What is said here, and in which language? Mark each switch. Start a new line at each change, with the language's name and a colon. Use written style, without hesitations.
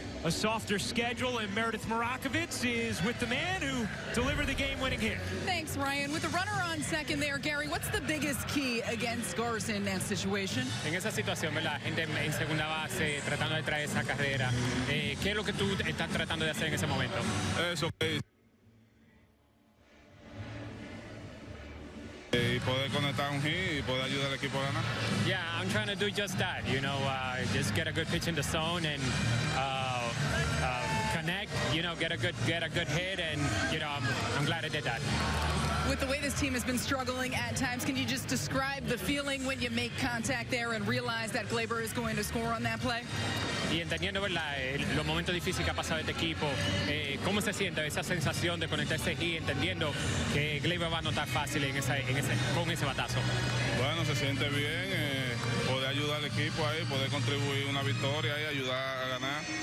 English: a softer schedule, and Meredith Marakovitz is with the man who delivered the game-winning hit. Thanks, Ryan. With the runner on second there, Gary, what's the biggest key against Garza in that situation?
Spanish: En esa situación, la gente en segunda base tratando de traer esa carrera. ¿Qué es lo que tú estás tratando de hacer en ese momento? Eso es.
English: Yeah, I'm trying to do just that, you know, just get a good pitch in the zone and connect, you know, get a good hit, and, you know, I'm glad I did that. With the way this team has been struggling at times, can you just describe the feeling when you make contact there and realize that Gleyber is going to score on that play?
Spanish: Y entendiendo, ¿verdad?, los momentos difíciles que ha pasado este equipo, ¿cómo se siente esa sensación de conectar ese hit, entendiendo que Gleyber va a notar fácil con ese batazo? Bueno, se siente bien poder ayudar al equipo ahí, poder contribuir una victoria y ayudar a ganar.